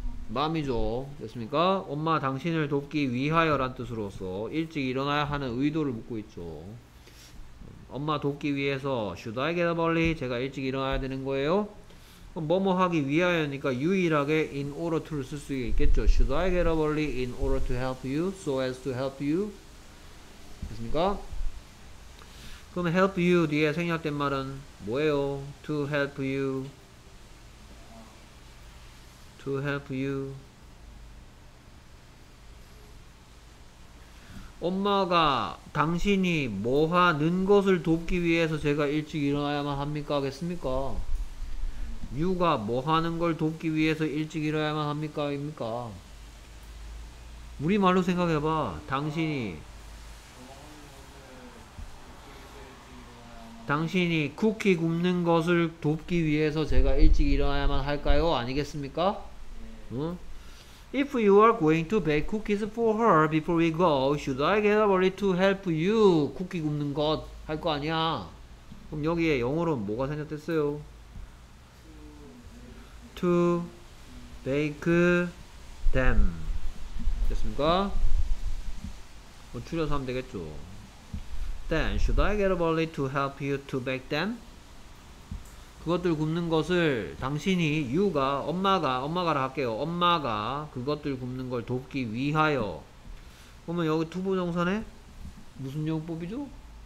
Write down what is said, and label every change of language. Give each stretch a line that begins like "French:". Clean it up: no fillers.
Korean: 맘이죠. 됐습니까? 엄마 당신을 돕기 위하여란 뜻으로서 일찍 일어나야 하는 의도를 묻고 있죠. 엄마 돕기 위해서
English: should I get up early?
Korean: 제가 일찍 일어나야 되는 거예요? 그럼 뭐뭐 하기 위하여니까 유일하게 in order to를 쓸 수 있겠죠.
English: Should I get up early in order to help you? So as to help you?
Korean: 됐습니까? 그럼
English: help you
Korean: 뒤에 생략된 말은 뭐예요?
English: To help you. To help you.
Korean: 엄마가 당신이 뭐 하는 것을 돕기 위해서 제가 일찍 일어나야만 합니까? 하겠습니까? 유가 뭐 하는 걸 돕기 위해서 일찍 일어나야만 합니까? 입니까? 우리말로 생각해봐. 당신이 당신이 쿠키 굽는 것을 돕기 위해서 제가 일찍 일어나야만 할까요? 아니겠습니까?
English: 응? If you are going to bake cookies for her before we go, should I get up early to help you?
Korean: 쿠키 굽는 것 할 거 아니야. 그럼 여기에 영어로 뭐가 생략됐어요?
English: To bake them.
Korean: 됐습니까? 뭐 줄여서 하면 되겠죠.
English: Then, should I get up early to help you to bake them?
Korean: 그것들 굽는 것을 당신이, you가, 엄마가라 할게요. 엄마가 그것들 굽는 걸 돕기 위하여. 그러면 여기 to 부정사네? 무슨 용법이죠?